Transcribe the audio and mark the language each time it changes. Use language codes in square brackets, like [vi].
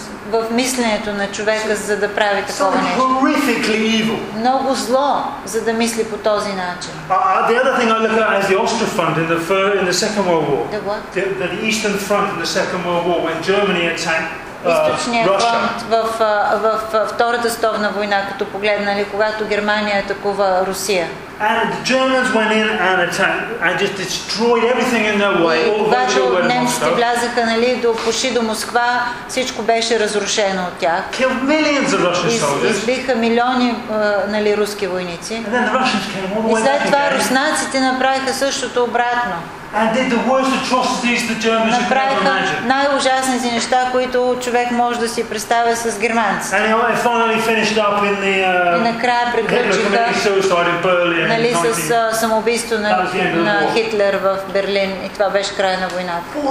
[bg] В мисленето на човека, за да прави такова нещо. Много зло, за да мисли по този начин. [en] The other thing I look at is the Ostra Front in the Second World War. The what? The Eastern Front in the Second World War when Germany attacked [bg] Източният фронт в Втората световна война, като погледнали, когато Германия атакува Русия. [en] And the Germans went in and attacked and just destroyed everything in their way. [bg] Когато немците влязаха, нали, почти до Москва, всичко беше разрушено от тях. [en] Killed millions of Russian soldiers. [bg] Избиха милиони, нали, руски войници. [en] And then the Russians came all the way. [bg] И след това руснаците направиха същото обратно. [en] And did the worst atrocities the Germans could ever imagine. [bg] Най-ужасните неща, които човек може да си представя с германци. [en] And it finally finished up in the [bg] накрая приключиха нали, с самоубийство на Хитлер в Берлин и това беше края на войната.